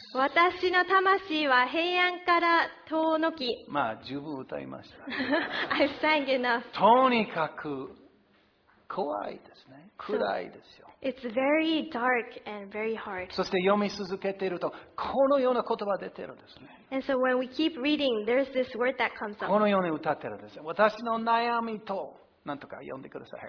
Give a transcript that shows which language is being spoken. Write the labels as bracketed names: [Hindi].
[Japanese] 私の魂は平安から遠のき。まあ十分歌いました。 [English] I sang enough. [Japanese] とにかく怖いですね。暗いですよ。 [English] So, it's very dark and very hard. [Japanese] そして読み続けているとこのような言葉出てるんですね。 [English] And so when we keep reading, there's this word that comes up. [Japanese] このように歌ってるんですよ。私の悩みと。なんとか読んでください。